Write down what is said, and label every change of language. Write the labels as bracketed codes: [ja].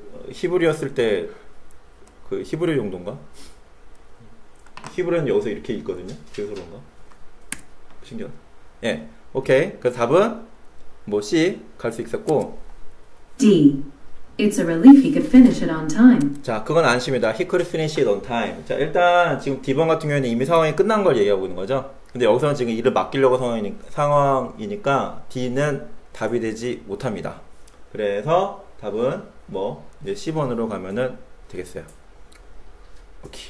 [ko] 히브리였을 때 그 히브리 정도인가? 히브리는 여기서 이렇게 읽거든요? 그래서 그런가? 신기하다. 예, 오케이. 그 답은 뭐 C 갈 수 있었고 D. [en] It's a relief he could finish it on time. [ko] 자, 그건 안심이다. [en] He could finish it on time. [ko] 자, 일단 지금 D번 같은 경우에는 이미 상황이 끝난 걸 얘기하고 있는 거죠? 근데 여기서는 지금 일을 맡기려고 상황이니까 D는 답이 되지 못합니다. 그래서 답은 뭐 이제 C번으로 가면은 되겠어요. Okay.